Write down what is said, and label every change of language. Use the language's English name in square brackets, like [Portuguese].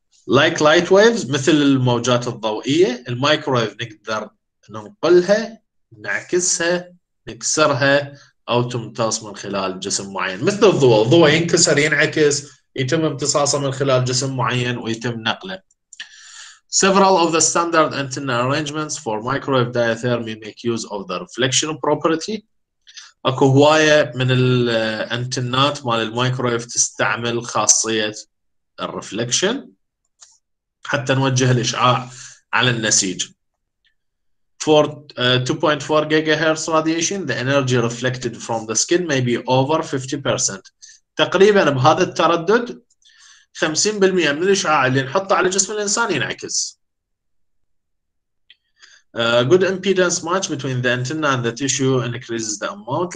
[English] Like light waves [Arabic] مثل الموجات الضوئية، المايكرويف نقدر ننقلها، نعكسها، نكسرها أو تمتص من خلال جسم معين مثل الضوء. الضوء ينكسر ينعكس، يتم امتصاصه من خلال جسم معين ويتم نقله. [English] Several of the standard antenna arrangements for microwave diathermy make use of the reflection property. [Arabic] أكو هواية من الأنتنات مال المايكرويف تستعمل خاصية الرفليكشن حتى نوجه الإشعاع على النسيج. [English] For 2.4 gigahertz radiation, the energy reflected from the skin may be over 50%. [Arabic] تقريبا بهذا التردد 50% من الإشعاع اللي نحطه على جسم الإنسان ينعكس. [English] Good impedance match between the antenna and the tissue increases the amount.